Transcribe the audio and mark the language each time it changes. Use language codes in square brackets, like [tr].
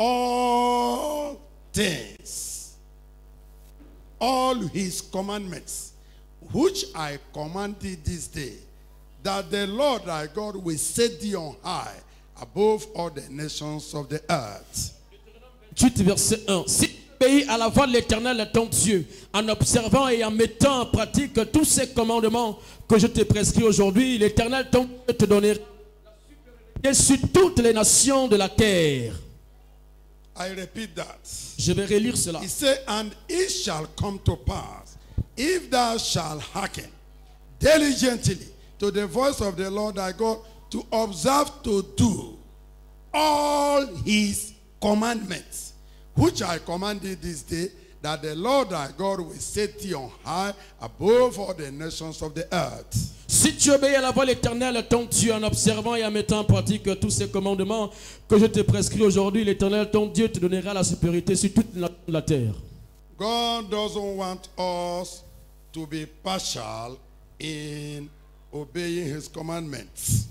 [en] All things. All his commandments, which I command thee this day, that the Lord thy God will set thee on high above all the nations of the earth. [fr] 8, verset 1. Obéis à la voix de l'Éternel ton Dieu en observant et en mettant en pratique tous ces commandements que je te prescris aujourd'hui. L'Éternel ton Dieu te donnera et sur toutes les nations de la terre. [en] I repeat that. [fr] Je vais relire cela. [en] He said, and it shall come to pass, if thou shalt hearken diligently to the voice of the Lord thy God, to observe to do all his commandments, which I command thee this day, that the Lord thy God will set thee on high above all the nations of the earth. [fr] Si tu obéis à la voix de l'Éternel, ton Dieu, en observant et en mettant en pratique tous ces commandements que je te prescris aujourd'hui, l'Éternel, ton Dieu, te donnera la supériorité sur toute la terre. [en] God doesn't want us to be partial in obeying his commandments.